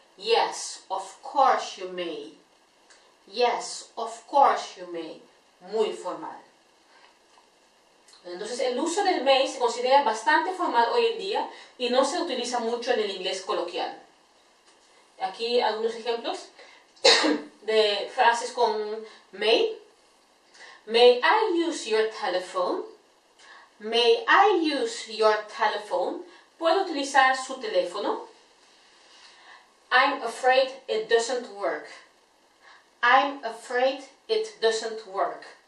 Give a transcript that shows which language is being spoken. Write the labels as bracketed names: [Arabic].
[English] Yes, of course you may. Yes, of course you may. [Spanish] Muy formal. Entonces, el uso del may se considera bastante formal hoy en día y no se utiliza mucho en el inglés coloquial. Aquí algunos ejemplos de frases con may. [English] May I use your telephone? May I use your telephone? [Spanish] ¿Puedo utilizar su teléfono? [English] I'm afraid it doesn't work. I'm afraid it doesn't work.